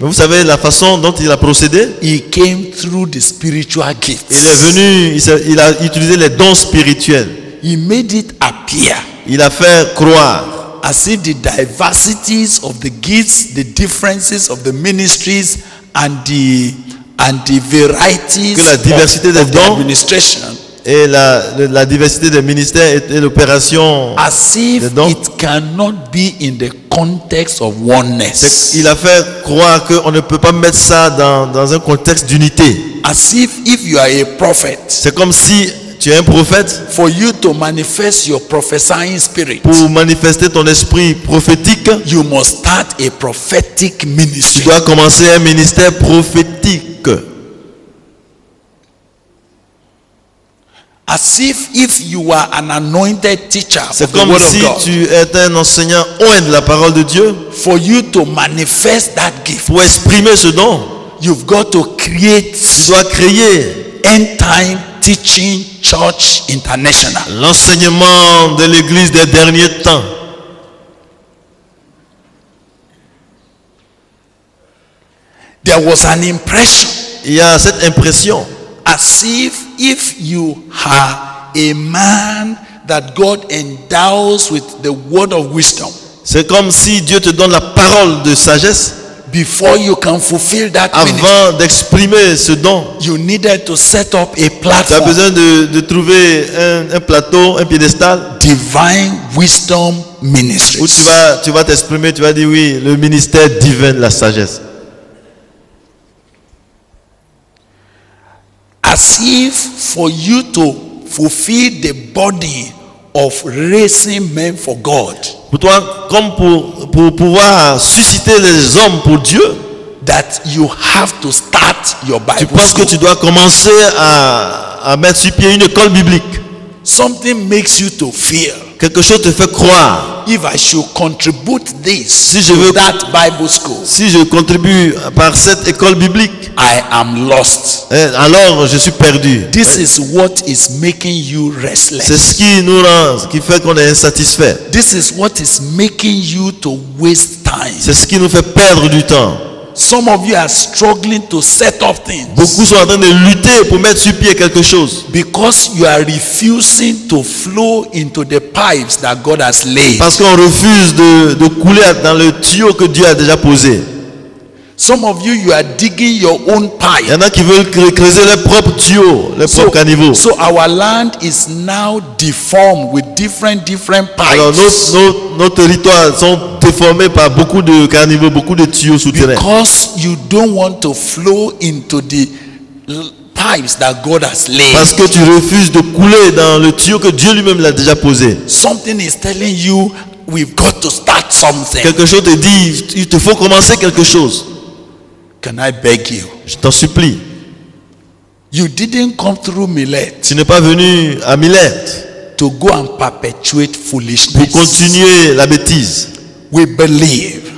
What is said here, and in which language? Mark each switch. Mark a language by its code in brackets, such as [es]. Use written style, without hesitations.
[fr] Mais vous savez la façon dont il a procédé? [en] He came through the spiritual gifts. [fr] Il est venu, il a utilisé les dons spirituels. [en] He made it appear. [fr] Il a fait croire. [en] As if the diversities of the gifts, the differences of the ministries, and the varieties [fr] que la diversité [en] of the administration. [fr] Et la diversité des ministères et l'opération. [en] As if it cannot be in the context of oneness. [fr] Il a fait croire qu'on ne peut pas mettre ça dans un contexte d'unité. [en] As if you are a prophet. [fr] C'est comme si tu es un prophète. [en] For you to manifest your prophesying spirit, [fr] pour manifester ton esprit prophétique, [en] you must start a prophetic ministry. [fr] Tu dois commencer un ministère prophétique. [en] As if you are an anointed teacher, [fr] c'est comme [en] the word [fr] si [en] of God, [fr] tu es un enseignant oint de la parole de Dieu. [en] For you to manifest that gift, [fr] pour exprimer ce don, [en] you've got to create. [fr] Tu dois créer [en] end time teaching. Church International. [fr] L'enseignement de l'église des derniers temps. [en] There was an impression. [fr] Il y a cette impression. [en] As if you are a man that God endows with the word of wisdom. [fr] C'est comme si Dieu te donne la parole de sagesse. [en] Before you can fulfill that ministry, [fr] avant d'exprimer ce don, [en] you needed to set up a platform. [fr] Tu as besoin de trouver un plateau, un piédestal. [en] Divine wisdom ministry. [fr] Où tu vas t'exprimer, tu vas dire oui, le ministère divin de la sagesse. [en] As if for you to fulfill the body of raising men for God. [fr] Pour toi, comme pour pouvoir susciter les hommes pour Dieu, [en] that you have to start your Bible. [fr] Tu penses que tu dois commencer à mettre sur pied une école biblique. [en] Something makes you to fear. [fr] Quelque chose te fait croire. [en] If I should contribute this, [fr] si je veux, [en] to that Bible school, [fr] si je contribue par cette école biblique, [en] I am lost. [fr] Alors je suis perdu. [en] This is what is making you restless. [fr] C'est ce qui nous rend, qui fait qu'on est insatisfait. [en] This is what is making you to waste time. [fr] C'est ce qui nous fait perdre du temps. [en] Some of you are struggling to set up things. [fr] Beaucoup sont en train de lutter pour mettre sur pied quelque chose. [en] Because you are refusing to flow into the pipes that God has laid. [fr] Parce qu'on refuse de couler dans le tuyau que Dieu a déjà posé. [en] Some of you are digging your own pipe. [fr] Il y en a qui veulent creuser leur propre tuyau, leur propre caniveau. [en] So our land is now deformed with different pipes. [fr] Alors nos territoires sont déformés par beaucoup de caniveaux, beaucoup de tuyaux souterrains. [en] Because you don't want to flow into the pipes that God has laid. [fr] Parce que tu refuses de couler dans le tuyau que Dieu lui-même l'a déjà posé. [en] Something is telling you we've got to start something. [fr] Quelque chose te dit il te faut commencer quelque chose. [en] Can I beg you? [fr] Je t'en supplie. [en] You didn't come through Millet. [fr] Tu n'es pas venu à Millet. [en] To go and perpetuate foolishness. [fr] Pour continuer la bêtise. [en] We believe.